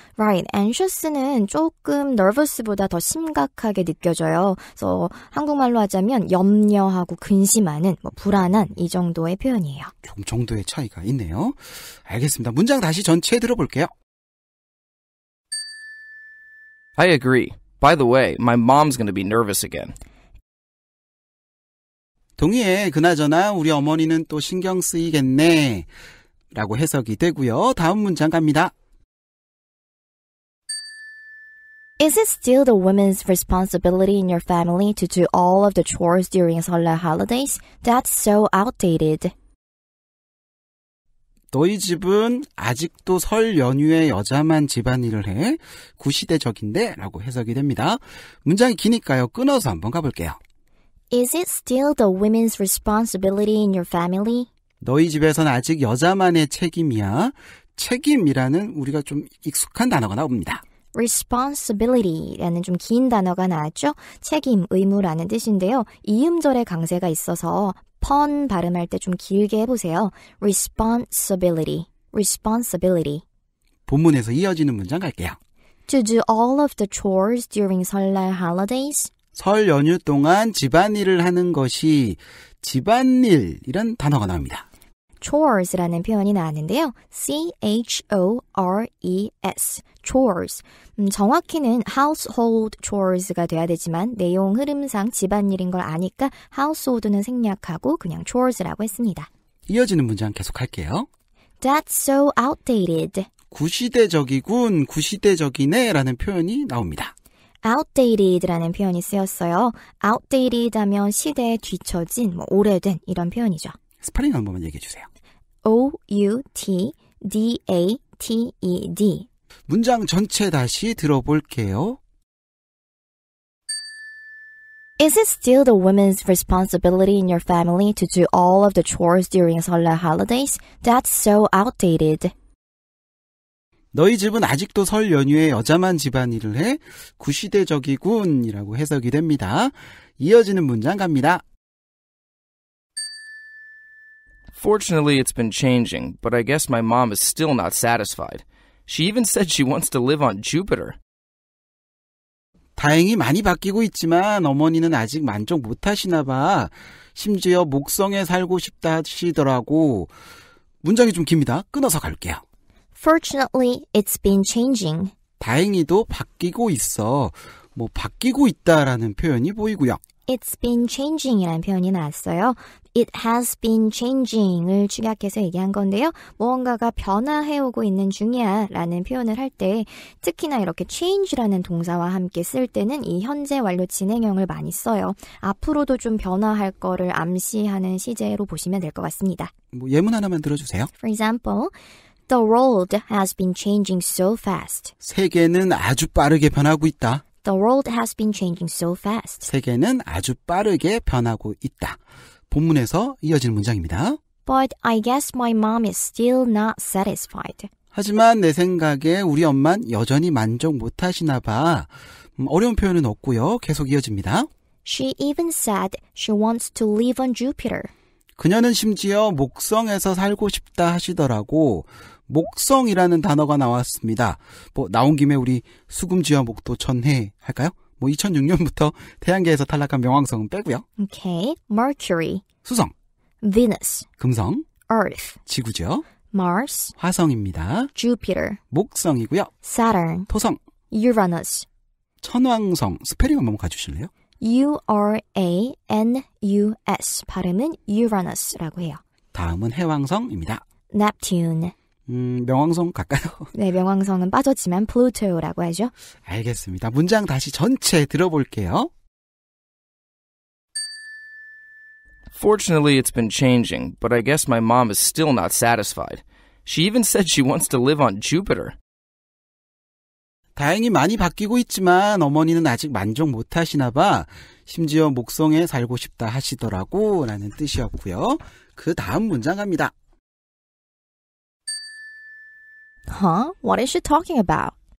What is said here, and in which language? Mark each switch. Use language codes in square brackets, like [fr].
[en] Right. [ko] anxious는 조금 nervous보다 더 심각하게 느껴져요. 그래서 한국말로 하자면 염려하고 근심하는, 뭐 불안한 이 정도의 표현이에요. 그 정도의 차이가 있네요. 알겠습니다. 문장 다시 전체 들어볼게요. [en] I agree. By the way, my mom's going to be nervous again. [ko] 동의해. 그나저나 우리 어머니는 또 신경 쓰이겠네. 라고 해석이 되고요. 다음 문장 갑니다. [en] Is it still the women's responsibility in your family to do all of the chores during Seollal holidays? That's so outdated. [ko] 너희 집은 아직도 설 연휴에 여자만 집안일을 해? 구시대적인데? 라고 해석이 됩니다. 문장이 기니까요. 끊어서 한번 가볼게요. [en] Is it still the women's responsibility in your family? [ko] 너희 집에선 아직 여자만의 책임이야? 책임이라는 우리가 좀 익숙한 단어가 나옵니다. responsibility라는 좀 긴 단어가 나왔죠. 책임, 의무라는 뜻인데요. 이음절의 강세가 있어서 pun 발음할 때 좀 길게 해보세요. [en] responsibility, responsibility. [ko] 본문에서 이어지는 문장 갈게요. [en] To do all of the chores during 설날 holidays. [ko] 설 연휴 동안 집안일을 하는 것이 집안일이란 단어가 나옵니다. chores라는 표현이 나왔는데요. C-H-O-R-E-S, chores. 정확히는 household chores가 돼야 되지만 내용 흐름상 집안일인 걸 아니까 household는 생략하고 그냥 chores라고 했습니다. 이어지는 문장 계속할게요. [en] That's so outdated. [ko] 구시대적이군, 구시대적이네 라는 표현이 나옵니다. outdated라는 표현이 쓰였어요. outdated 하면 시대에 뒤처진, 뭐 오래된 이런 표현이죠. 스펠링 한 번만 얘기해주세요. [en] O-U-T-D-A-T-E-D [ko] 문장 전체 다시 들어볼게요. [en] Is it still the women's responsibility in your family to do all of the chores during Seollal holidays? That's so outdated. [ko] 너희 집은 아직도 설 연휴에 여자만 집안일을 해? 구시대적이군 이라고 해석이 됩니다. 이어지는 문장 갑니다. [en] Fortunately, it's been changing, but I guess my mom is still not satisfied. She even said she wants to live on Jupiter. [ko] 다행히 많이 바뀌고 있지만 어머니는 아직 만족 못하시나 봐. 심지어 목성에 살고 싶다 하시더라고. 문장이 좀 깁니다. 끊어서 갈게요. [en] Fortunately, it's been changing. [ko] 다행히도 바뀌고 있어. 뭐 바뀌고 있다라는 표현이 보이고요. [en] It's been changing [ko] 이라는 표현이 나왔어요. [en] It has been changing [ko] 을 축약해서 얘기한 건데요. 무언가가 변화해오고 있는 중이야라는 표현을 할 때 특히나 이렇게 change라는 동사와 함께 쓸 때는 이 현재 완료 진행형을 많이 써요. 앞으로도 좀 변화할 거를 암시하는 시제로 보시면 될 것 같습니다. 뭐 예문 하나만 들어주세요. [en] For example, the world has been changing so fast. [ko] 세계는 아주 빠르게 변하고 있다. [en] The world has been changing so fast. [ko] 세계는 아주 빠르게 변하고 있다. 본문에서 이어지는 문장입니다. [en] But I guess my mom is still not satisfied. [ko] 하지만 내 생각에 우리 엄만 여전히 만족 못하시나 봐. 어려운 표현은 없고요. 계속 이어집니다. [en] She even said she wants to live on Jupiter. [ko] 그녀는 심지어 목성에서 살고 싶다 하시더라고. 목성이라는 단어가 나왔습니다. 뭐 나온 김에 우리 수금지와 목도 천해 할까요? 뭐 2006년부터 태양계에서 탈락한 명왕성은 빼고요. [en] Okay. Mercury. [ko] 수성. [en] Venus. [ko] 금성. [en] Earth. [ko] 지구죠. [en] Mars. [ko] 화성입니다. [en] Jupiter. [ko] 목성이고요. [en] Saturn. [ko] 토성. [en] Uranus. [ko] 천왕성. 스펠링 한번 가주실래요? U-R-A-N-U-S. 발음은 Uranus라고 해요. 다음은 해왕성입니다. [en] Neptune. [ko] 명왕성 갈까요? 네, 명왕성은 빠졌지만 플루토라고 하죠. 알겠습니다. 문장 다시 전체 들어볼게요. [en] Fortunately, it's been changing, but I guess my mom is still not satisfied. She even said she wants to live on Jupiter. [ko] 다행히 많이 바뀌고 있지만 어머니는 아직 만족 못하시나 봐. 심지어 목성에 살고 싶다 하시더라고 라는 뜻이었고요. 그 다음 문장 갑니다. [en] Huh? What is she talking about?